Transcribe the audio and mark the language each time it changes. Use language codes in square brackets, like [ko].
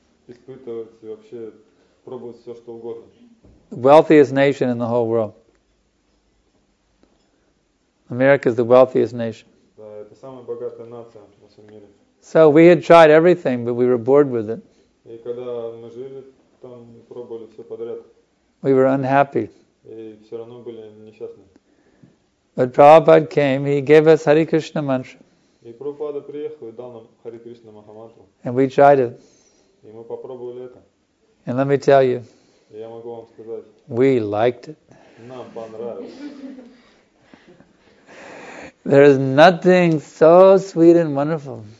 [ru] испытывать и вообще пробовать все, что угодно. [en] Wealthiest nation in the whole world. America is the wealthiest nation. [ru] Да, это самая богатая нация во всем мире. [en] So we had tried everything, but we were bored with it. [ru] И когда мы жили там, мы пробовали все подряд. [en] We were unhappy. [ru] И все равно были несчастны. [en] But Prabhupada came, he gave us Hare Krishna mantra. [ru] И Прабхупада приехал и дал нам Хари Кришна Махамантру. [en] And we tried it. [ru] И мы попробовали это. [en] And let me tell you. [ru] И я могу вам сказать. [en] We liked it. [ru] Нам понравилось. [en] There is nothing so sweet and wonderful.